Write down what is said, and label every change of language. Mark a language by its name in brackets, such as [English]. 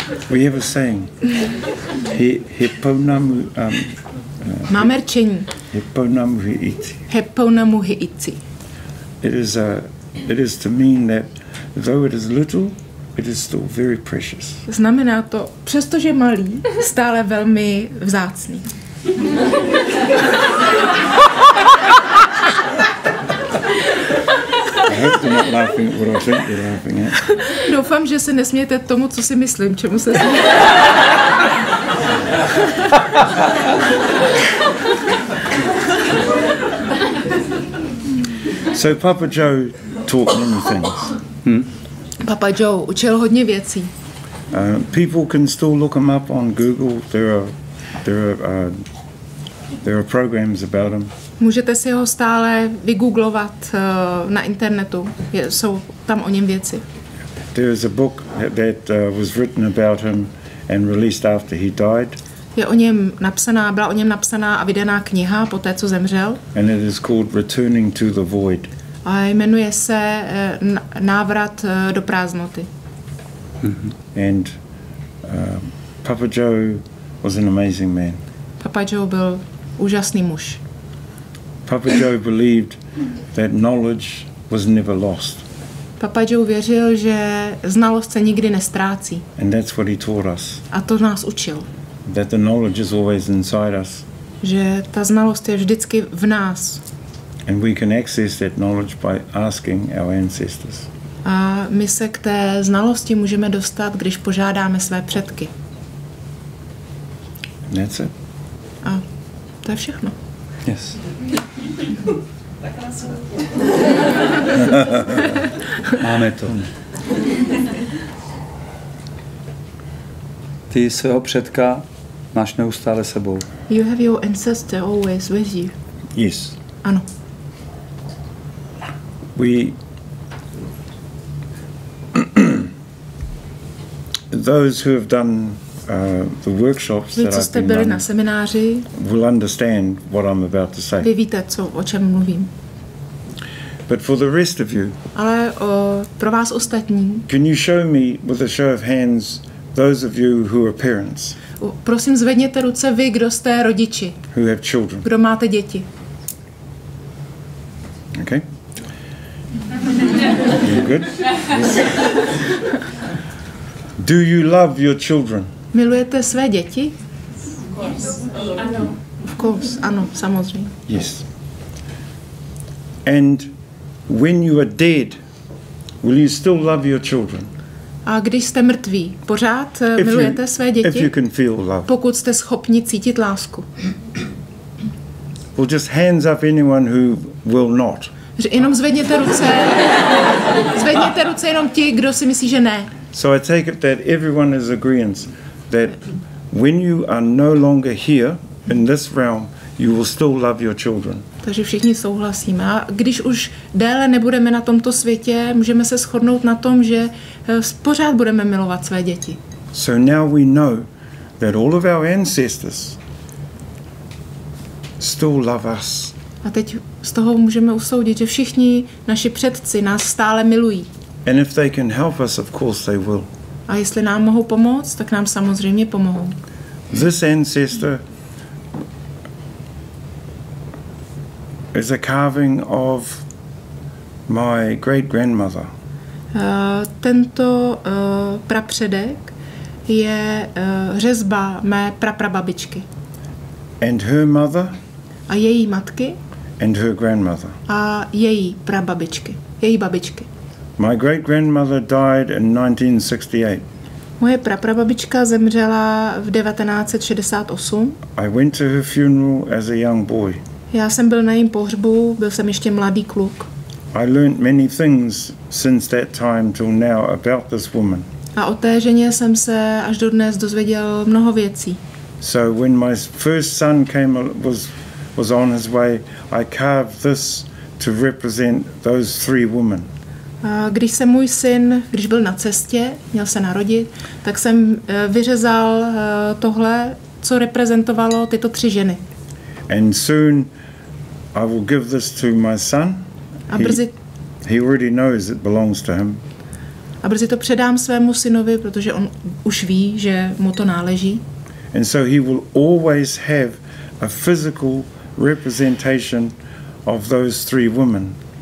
[English] We have a saying. [Māori] He pognamu... [Czech] Máme rčení. [Māori] He pognamu he iti. He pognamu he iti. [English] It is to mean that though it is little, it is still very precious. [Czech] Znamená to, přestože malý, stále velmi vzácný. [English] I hope you're not laughing at what I think you're laughing at. [Czech] Doufám, že se nesmějete tomu, co si myslím, čemu se smějí. [English] So Papa Joe taught many things. [Czech] Papa Joe učil hodně věcí. [English] People can still look him up on Google. There are programs about him. [Czech] Můžete si ho stále vygooglovat na internetu. Jsou tam o něm věci. [English] There is a book that was written about him and released after he died. [Czech] Je o něm napsaná, byla o něm napsaná a vydaná kniha po té, co zemřel. [English] And it is called Returning to the Void. [Czech] A jmenuje se Návrat do prázdnoty. [English] And Papa Joe was an amazing man. [Czech] Papa Joe byl úžasný muž. [English] Papa Joe believed that knowledge was never lost. [Czech] Papa Joe věřil, že znalost se nikdy nestrácí. [English] And that's what he taught us. [Czech] A to nás učil. [English] That the knowledge is always inside us. [Czech] Že ta znalost je vždycky v nás. [English] And we can access that knowledge by asking our ancestors. [Czech] A my se k té znalosti můžeme dostat, když požádáme své předky. [English] And that's it. [Czech] A to je všechno. [English] Yes. [Czech] Máme to. Ty svého předka máš neustále sebou. [English] You have your ancestor always with you. Yes. [Czech] Ano. [English] We those who have done the workshops that I've been done, [Czech] na semináři, [English] will understand what I'm about to say. [Czech] Vy víte, co, o čem mluvím. [English] But for the rest of you, [Czech] ale pro vás ostatní, [English] can you show me with a show of hands those of you who are parents? [Czech] Prosím, zvedněte ruce vy, kdo jste rodiči. [English] Who have children. [Czech] Kdo máte děti. [English] Okay. You good? Yes. Do you love your children? [Czech] Milujete své děti? [English] Of course. Yes. [Czech] Ano. [English] Of course, [Czech] ano, samozřejmě. [English] Yes. And when you are dead, will you still love your children? [Czech] A když jste mrtví, pořád milujete své děti? [English] If you can feel love. [Czech] Pokud jste schopni cítit lásku. [English] Well, just hands up anyone who will not. [Czech] Jenom zvedněte ruce. Zvedněte ruce jenom ti, kdo si myslí, že ne. [English] So I take it that everyone is agreeance that when you are no longer here in this realm, you will still love your children. [Czech] Takže všichni souhlasíme. A když už déle nebudeme na tomto světě, můžeme se shodnout na tom, že pořád budeme milovat své děti. [English] So now we know that all of our ancestors still love us. [Czech] A teď z toho můžeme usoudit, že všichni naši předci nás stále milují. [English] And if they can help us, of course they will. [Czech] A jestli nám mohou pomoct, tak nám samozřejmě pomohou. [English] This ancestor is a carving of my great grandmother. [Czech] Tento prapředek je řezba mé praprababičky. [English] And her mother? [Czech] A její matky? [English] And her grandmother. [Czech] A její prababičky, její babičky. [English] My great grandmother died in 1968. [Czech] Moje praprababička zemřela v 1968. [English] I went to her funeral as a young boy. [Czech] Já jsem byl na jejím pohřbu, byl jsem ještě mladý kluk. [English] I learned many things since that time till now about this woman. [Czech] A o té ženě jsem se až do dnes dozvěděl mnoho věcí. [English] So when my first son came was on his way, I carved this to represent those three women. [Czech] Když se můj syn, když byl na cestě, měl se narodit, tak jsem vyřezal tohle, co reprezentovalo tyto tři ženy. [English] And soon I will give this to my son. [Czech] A brzy [English] he already knows it belongs to him. [Czech] A brzy to předám svému synovi, protože on už ví, že mu to náleží. [English] And so he will always have a physical representation of those three women.